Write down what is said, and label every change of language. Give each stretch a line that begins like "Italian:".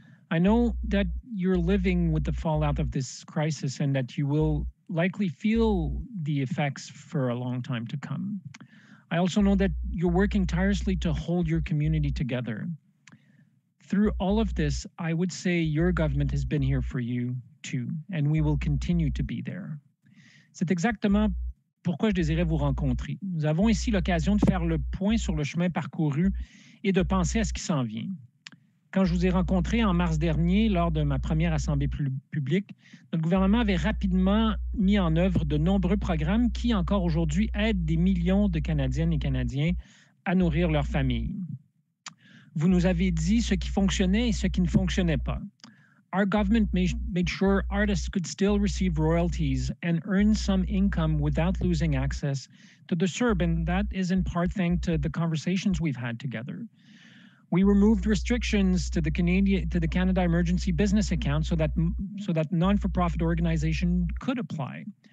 English: I know that you're living with the fallout of this crisis and that you will likely feel the effects for a long time to come. I also know that you're working tirelessly to hold your community together. Through all of this, I would say your government has been here for you too, and we will continue to be there.
French: C'est exactement pourquoi je désirais vous rencontrer. Nous avons ici l'occasion de faire le point sur le chemin parcouru et de penser à ce qui s'en vient. Quand je vous ai rencontré en mars dernier, lors de ma première assemblée publique, notre gouvernement avait rapidement mis en œuvre de nombreux programmes qui, encore aujourd'hui, aident des millions de Canadiennes et Canadiens à nourrir leurs familles. Vous nous avez dit ce qui fonctionnait et ce qui ne fonctionnait pas.
English: Our government made sure artists could still receive royalties and earn some income without losing access to the CERB, and that is in part thanks to the conversations we've had together. We removed restrictions to the Canada Emergency Business Account so that non-for-profit organization could apply.